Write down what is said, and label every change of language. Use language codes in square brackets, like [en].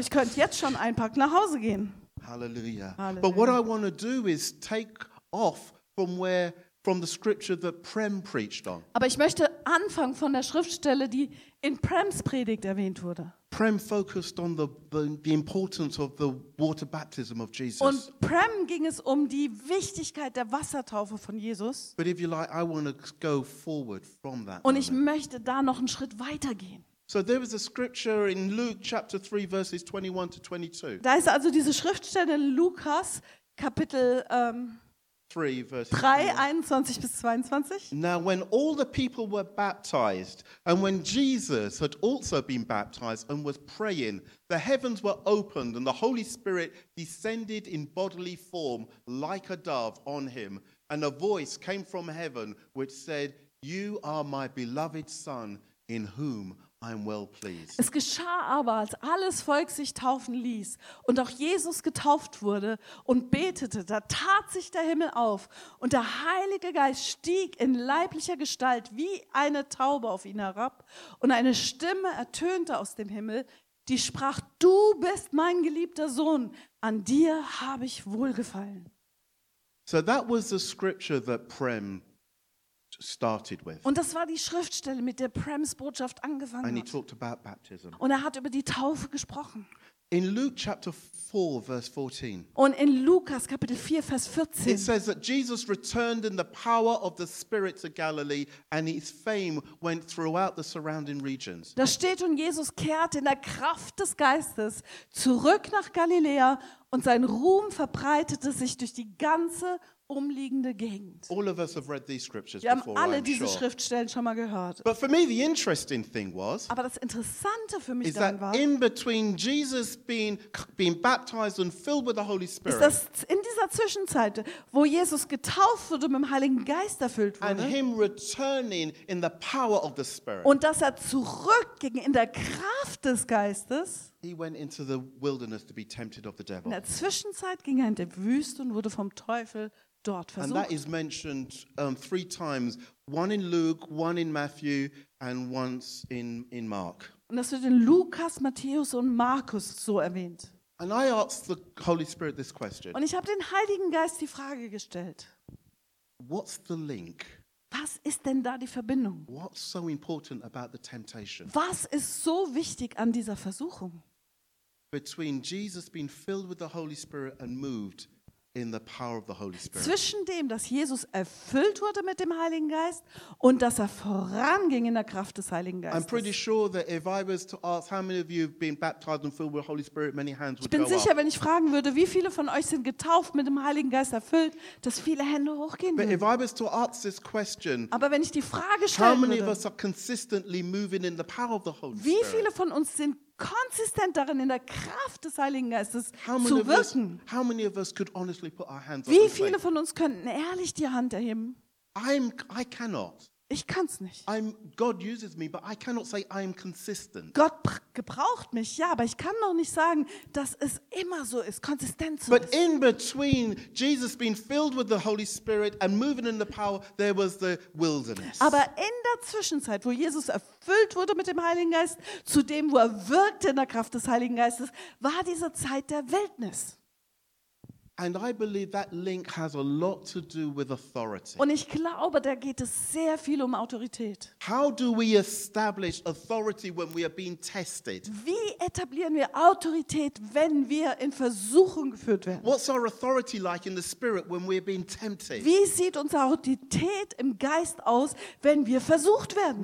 [de] Ich könnte jetzt schon einpacken, nach Hause gehen. Halleluja. [en] But what I want to do is take off from where from the scripture that Prem preached on. [de] Aber ich möchte anfangen von der Schriftstelle, die in Prems Predigt erwähnt wurde. [en] Prem focused on the importance of the water baptism of Jesus. [de] Und Prem ging es um die Wichtigkeit der Wassertaufe von Jesus. [en] But if you like, I want to go forward from that. [de] Und ich möchte da noch einen Schritt weitergehen. [en] So there was a scripture in Luke chapter 3 verses 21 to 22. [de] Da ist also diese Schriftstelle in Lukas Kapitel 3, 21 bis 22. [en] Now when all the people were baptized and when Jesus had also been baptized and was praying, the heavens were opened and the Holy Spirit descended in bodily form like a dove on him and a voice came from heaven which said, "You are my beloved son, in whom I'm well pleased." [de] Es geschah aber, als alles Volk sich taufen ließ und auch Jesus getauft wurde und betete, da tat sich der Himmel auf und der Heilige Geist stieg in leiblicher Gestalt wie eine Taube auf ihn herab und eine Stimme ertönte aus dem Himmel, die sprach, du bist mein geliebter Sohn, an dir habe ich Wohlgefallen. [en] So that was the scripture that Prem started with. [de] Und das war die Schriftstelle, mit der Prems Botschaft angefangen [en] and [de] hat. [en] He talked about baptism. [de] Und er hat über die Taufe gesprochen. [en] In Luke chapter 4 verse 14. [de] Und in Lukas Kapitel 4 Vers 14. [en] It says that Jesus returned in the power of the Spirit to Galilee and his fame went throughout the surrounding regions. [de] Da steht und Jesus kehrte in der Kraft des Geistes zurück nach Galiläa und sein Ruhm verbreitete sich durch die ganze umliegende Gegend. [en] All of us have read these scriptures before, I'm sure. [de] Wir haben alle diese Schriftstellen schon mal gehört. [en] But for me, the interesting thing was, [de] aber das Interessante für mich dann war, [en] in between Jesus being baptized and filled with the Holy Spirit, [de] ist, dass in dieser Zwischenzeit, wo Jesus getauft wurde und mit dem Heiligen Geist erfüllt wurde, [en] and him returning in the power of the Spirit, [de] und dass er zurückging in der Kraft des Geistes, [en] he went into the wilderness to be tempted of the devil. [de] In der Zwischenzeit ging er in die Wüste und wurde vom Teufel dort versucht. [en] And that is mentioned three times, one in Luke, one in Matthew, and once in Mark. [de] Und das wird in Lukas, Matthäus und Markus so erwähnt. [en] And I asked the Holy Spirit this question. [de] Und ich habe den Heiligen Geist die Frage gestellt. [en] What's the link? [de] Was ist denn da die Verbindung? [en] What's so important about the temptation? [de] Was ist so wichtig an dieser Versuchung? [en] Between Jesus being filled with the Holy Spirit and moved in the power of the Holy Spirit. [de] Zwischen dem, dass Jesus erfüllt wurde mit dem Heiligen Geist und dass er voranging in der Kraft des Heiligen Geistes. [en] I'm pretty sure that if I was to ask how many of you have been baptized and filled with the Holy Spirit, many hands would go up. [de] Ich bin sicher, wenn ich fragen würde, wie viele von euch sind getauft mit dem Heiligen Geist erfüllt, dass viele Hände hochgehen würden. [en] But if I was to ask this question, [de] aber wenn ich die Frage stellen würde, [en] how many of us are consistently moving in the power of the Holy Spirit? [de] Wie viele von uns sind konsistent darin, in der Kraft des Heiligen Geistes zu wirken. [en] How many of us could honestly put our hands [de] wie viele von uns könnten ehrlich die Hand erheben? [en] I cannot. [de] Ich kann es nicht. [en] God uses me, but I cannot say I am consistent. [de] Gott gebraucht mich, ja, aber ich kann noch nicht sagen, dass es immer so ist, konsistent so [en] but [de] ist. [en] But in between Jesus being filled with the Holy Spirit and moving in the power, there was the wilderness. [de] Aber in der Zwischenzeit, wo Jesus erfüllt wurde mit dem Heiligen Geist, zu dem, wo er wirkte in der Kraft des Heiligen Geistes, war diese Zeit der Wildnis. [en] And I believe that link has a lot to do with authority. [de] Und ich glaube, da geht es sehr viel um Autorität. [en] How do we establish authority when we are being tested? [de] Wie etablieren wir Autorität, wenn wir in Versuchung geführt werden? [en] What's our authority like in the spirit when we're being tempted? [de] Wie sieht unsere Autorität im Geist aus, wenn wir versucht werden?